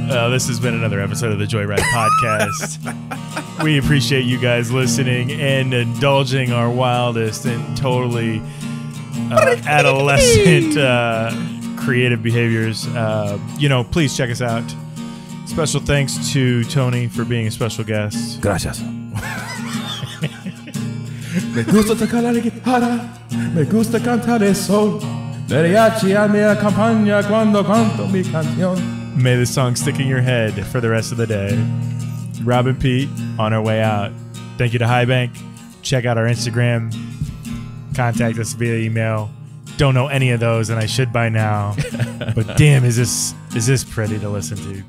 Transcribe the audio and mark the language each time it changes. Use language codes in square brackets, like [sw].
[en] This has been another episode of the Joyride Podcast. We appreciate you guys listening and indulging our wildest and totally adolescent creative behaviors. You know, please check us out. Special thanks to Tony for being a special guest. [es] Gracias. Me gusta tocar la guitarra. Me gusta cantar el sol. Mariachi me acompaña cuando canto mi canción. [en] May the song stick in your head for the rest of the day. Rob and Pete on our way out. Thank you to Highbank. Check out our Instagram. Contact us via email. Don't know any of those, and I should by now. But damn, is this pretty to listen to?